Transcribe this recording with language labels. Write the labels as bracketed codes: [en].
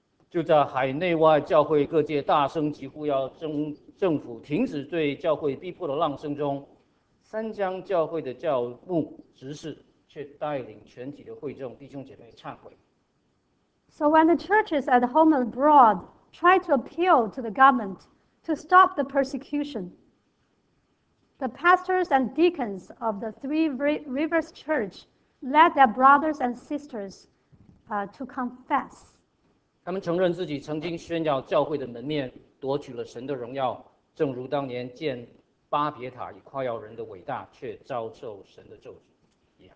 [zh] 就在海内外教会各界大声疾呼要政府停止对教会逼迫的浪声中，三江教会的教牧执事却带领全体的会众弟兄姐妹忏悔。 [en] So when the churches at home and abroad tried to appeal to the government to stop the persecution, the pastors and deacons of the Three Rivers Church led their brothers and sisters to confess. [zh] 他们承认自己曾经宣扬教会的门面，夺取了神的荣耀，正如当年建巴别塔以夸耀人的伟大，却遭受神的咒诅。